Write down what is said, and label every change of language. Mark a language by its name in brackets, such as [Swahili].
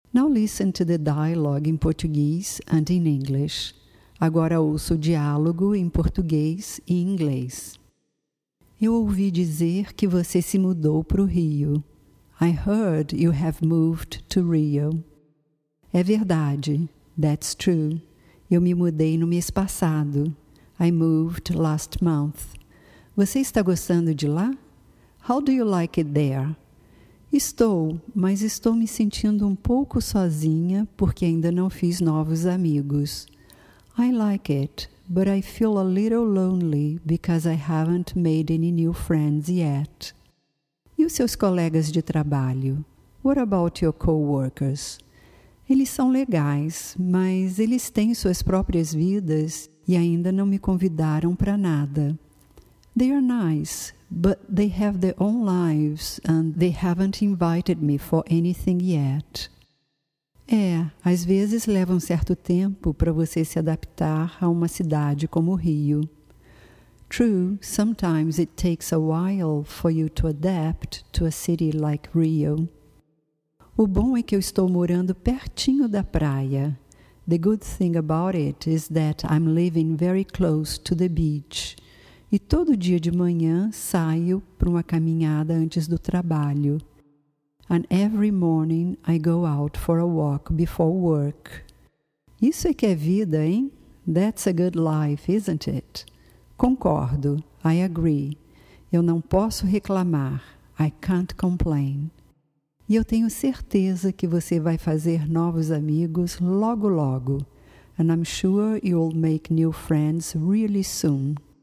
[English] Listen to the dialogue in Portuguese and in English. [Portuguese] Agora ouço o diálogo em português e inglês. Eu ouvi dizer que você se mudou para o Rio. [English] I heard you have moved to Rio. [Portuguese] É verdade. [English] That's true. [Portuguese] Eu me mudei no mês passado. [English] I moved last month. [Portuguese] Você está gostando de lá? [English] How do you like it there? [Portuguese] Estou, mas estou me sentindo um pouco sozinha porque ainda não fiz novos amigos. [English] I like it, but I feel a little lonely because I haven't made any new friends yet. [Portuguese] E os seus colegas de trabalho? [English] What about your coworkers? [Portuguese] Eles são legais, mas eles têm suas próprias vidas e ainda não me convidaram para nada. [English] They are nice. But they have their own lives and they haven't invited me for anything yet. [Portuguese] É, às vezes leva um certo tempo para você se adaptar a uma cidade como o Rio. [English] True, sometimes it takes a while for you to adapt to a city like Rio. [Portuguese] O bom é que eu estou morando pertinho da praia. [English] The good thing about it is that I'm living very close to the beach. [Portuguese] E todo dia de manhã saio para uma caminhada antes do trabalho. [English] And every morning I go out for a walk before work. [Portuguese] Isso é que é vida, hein? [English] That's a good life, isn't it? [Portuguese] Concordo. [English] I agree. [Portuguese] Eu não posso reclamar. [English] I can't complain. [Portuguese] E eu tenho certeza que você vai fazer novos amigos logo, logo. [English] And I'm sure you'll make new friends really soon.